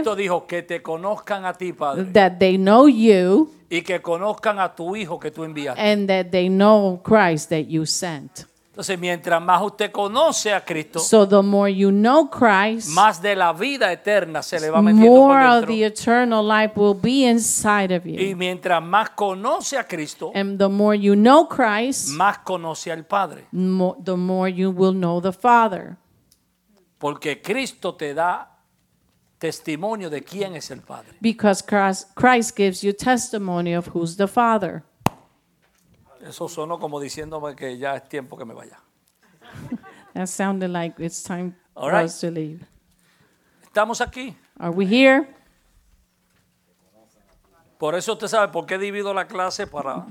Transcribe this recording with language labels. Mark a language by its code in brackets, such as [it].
[es] Cristo dijo que te conozcan a ti, Padre. [en] That they know you. [es] Y que conozcan a tu hijo que tú enviaste. [en] And that they know Christ that you sent. [es] Entonces, mientras más usted conoce a Cristo, [en] so the more you know Christ, [es] más de la vida eterna se le va metiendo por dentro. [en] More of the eternal life will be inside of you. [es] Y mientras más conoce a Cristo, [en] and the more you know Christ, [es] más conoce al Padre. [en] The more you will know the Father. [es] Porque Cristo te da testimonio de quién es el Padre. [en] Because Christ gives you testimony of who's the Father. [es] Eso sonó como diciéndome que ya es tiempo que me vaya. [en] That sounded like it's time for us to leave. [es] Estamos aquí. [en] Are we here? [es] Por eso usted sabe por qué divido la clase para.